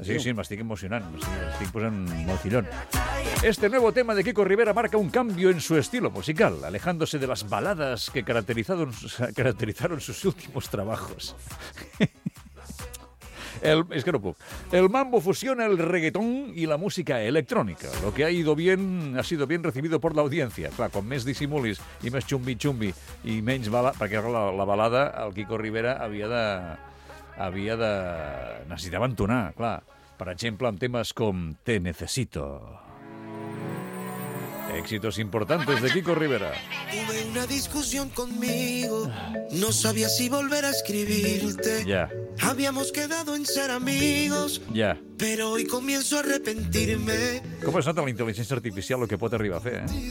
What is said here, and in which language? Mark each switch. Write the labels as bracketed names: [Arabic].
[Spanish] Sí, me estoy emocionando, me estoy poniendo mocillón. Este nuevo tema de Kiko Rivera marca un cambio en su estilo musical, alejándose de las baladas que caracterizaron sus últimos trabajos. Es que no puedo. El mambo fusiona el reggaetón y la música electrónica. Lo que ha ido bien ha sido bien recibido por la audiencia. [Catalan] Claro, con més dissimulis i més chumbi-chumbi i menys balada, perquè la balada el Quico Rivera havia de... necessitava entonar, clar. Per exemple, amb temes com Te necesito. [Spanish] Éxitos importantes de Quico Rivera. Tuve una discusión conmigo. No sabía si volver a escribirte. Ya. Habíamos quedado en ser amigos. Ya. Pero hoy comienzo a arrepentirme. ¿Cómo es nota la inteligencia artificial lo que puede arribar a hacer, eh?